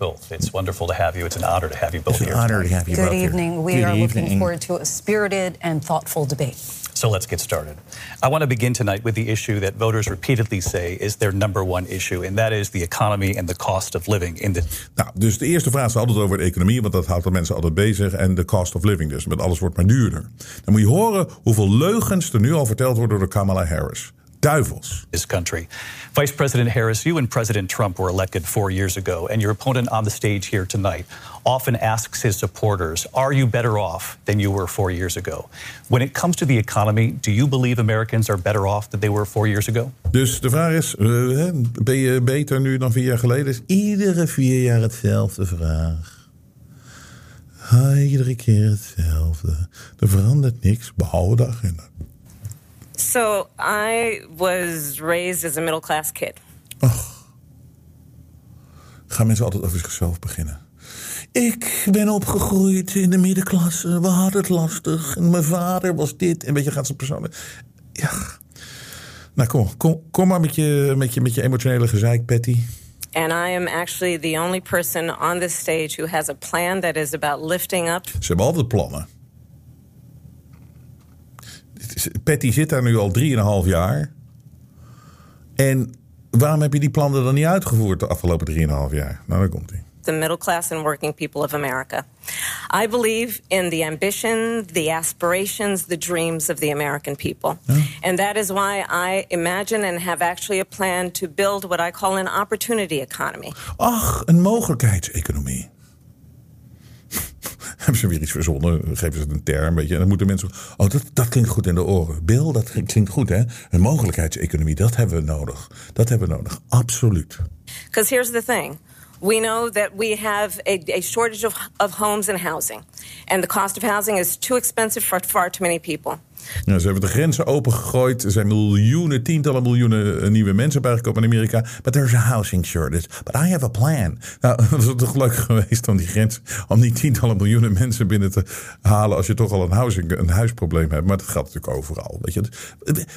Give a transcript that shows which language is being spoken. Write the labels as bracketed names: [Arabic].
[English] It's wonderful to have you. It's an honor to have you both here. It's an honor to have you both here. Good evening. We are looking forward to a spirited and thoughtful debate. So let's get started. I want to begin tonight with the issue that voters repeatedly say is their number one issue, and that is the economy and the cost of living. [Dutch] Nou, dus de eerste vraag is altijd over de economie, want dat houdt de mensen altijd bezig, en de cost of living dus, want alles wordt maar duurder. Dan moet je horen hoeveel leugens er nu al verteld worden door Kamala Harris. duivels. [English] This country. Vice President Harris, you and President Trump were elected 4 years ago, and your opponent on the stage here tonight often asks his supporters, are you better off than you were 4 years ago? When it comes to the economy, do you believe Americans are better off than they were 4 years ago? [Dutch] Dus de vraag is, ben je beter nu dan 4 jaar geleden? Is iedere 4 jaar hetzelfde vraag. Iedere keer hetzelfde. Er verandert niks, behalve de agenda. [English] So I was raised as a middle-class kid. Och. [Dutch] Gaan mensen altijd over zichzelf beginnen. Ik ben opgegroeid in de middenklasse. We hadden het lastig. En mijn vader was dit. En weet je, gaat zo'n persoon... Ja. Nou, kom maar met je emotionele gezeik, Patty. [English] And I am actually the only person on this stage who has a plan that is about lifting up... [Dutch] Ze hebben altijd plannen. Patty zit daar nu al 3,5 jaar. En waarom heb je die plannen dan niet uitgevoerd de afgelopen 3,5 jaar? Nou, daar komt-ie. [English] The middle class and working people of America. I believe in the ambition, the aspirations, the dreams of the American people. Ja. And that is why I imagine and have actually a plan to build what I call an opportunity economy. [Dutch] Ach, een mogelijkheidseconomie. Hebben ze weer iets verzonnen, geven ze het een term, weet je. En dan moeten mensen... Oh, dat klinkt goed in de oren. Bill, dat klinkt goed, hè. Een mogelijkheidseconomie, dat hebben we nodig. Dat hebben we nodig, absoluut. [English] Because here's the thing. We know that we have a shortage of homes and housing. And the cost of housing is too expensive for far too many people. [Dutch] Ja, ze hebben de grenzen opengegooid. Er zijn miljoenen, tientallen miljoenen nieuwe mensen bijgekomen in Amerika. [English] But there's a housing shortage. But I have a plan. [Dutch] Nou, dat is toch leuk geweest om die grens, om die tientallen miljoenen mensen binnen te halen als je toch al een huisprobleem hebt. Maar dat geldt natuurlijk overal. Weet je.